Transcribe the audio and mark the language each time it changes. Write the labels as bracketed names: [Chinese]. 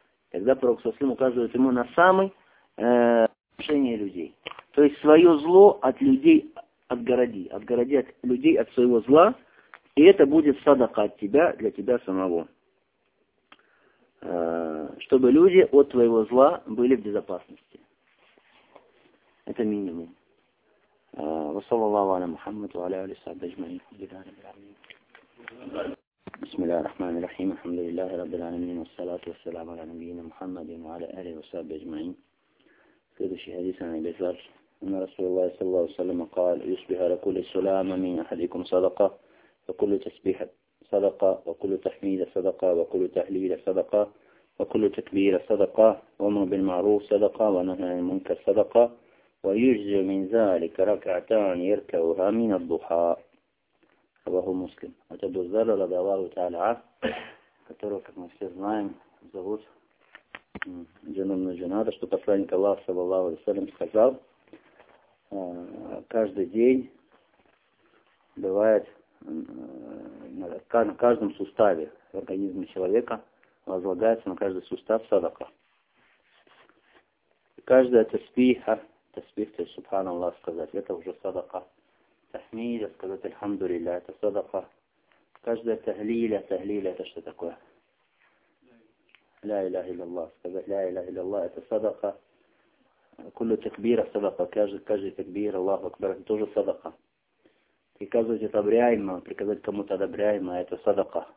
[Russian] Тогда пророк саллаллаху алейхи ва саллям указывает ему на самое отношение людей. То есть свое зло от людей отгороди. Отгороди от людей от своего зла, и это будет садака от тебя для тебя самого. Чтобы люди от твоего зла были в безопасности. Это минимум. [Arabic] وصلى الله على محمد وعلى آله وصحبه أجمعين. بسم الله الرحمن الرحيم الحمد لله رب العالمين والصلاة والسلام على نبينا محمد وعلى آله وصحبه أجمعين. سيدشي حديث عن أبي ذر أن رسول الله صلى الله عليه وسلم قال يصبح على كل سلام من أحدكم صدقة وكل تسبيح صدقة وكل تحميد صدقة وكل تحليل صدقة وكل تكبير صدقة وأمر بالمعروف صدقة ونهي عن المنكر صدقة وَيُجْزِ مِنْ ذَٰلِكَ رَكَعْتَانِ يَرْكَوْهَا مِنَ الضُّحَىٰ رواه مسلم. [Russian] От Абу Зарра, [Arabic] رضي الله تعالى عنه, [Russian] которого, как мы все знаем, зовут Джанна Джанада, что посланник Аллаха, саллаллаху алейхи ва саллям, сказал, каждый день бывает на каждом суставе в организме человека возлагается на каждый сустав садака. Каждая тасбиха, [Arabic] تسبيح سبحان الله [Russian] сказать, это уже садака. تحميد сказать [Arabic] الحمد لله, [Russian] это садака. Каждая تهليله, تهليله это что такое? [Arabic] لا إله إلا الله [Russian] сказать, [Arabic] لا إله إلا الله [Russian] это садака. [Arabic] كل تكبير صدقة, [Russian] каждый [Arabic] تكبير الله أكبر [Russian] это тоже садака. Приказывать одобряемого, приказать кому-то одобряемое это садака.